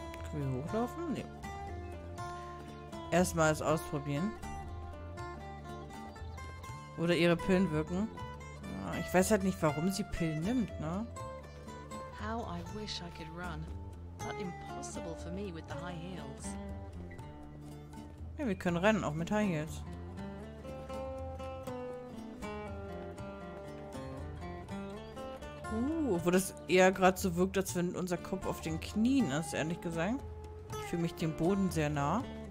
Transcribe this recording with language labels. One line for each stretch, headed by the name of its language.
German: Können wir hochlaufen? Nee. Erstmal es ausprobieren. Oder ihre Pillen wirken. Ich weiß halt nicht, warum sie Pillen nimmt, ne?
English: How I wish I could run. Impossible for me with the high heels.
German: Ja, wir können rennen, auch mit High Heels. Obwohl das eher gerade so wirkt, als wenn unser Kopf auf den Knien ist, ehrlich gesagt. Ich fühle mich dem Boden sehr nah.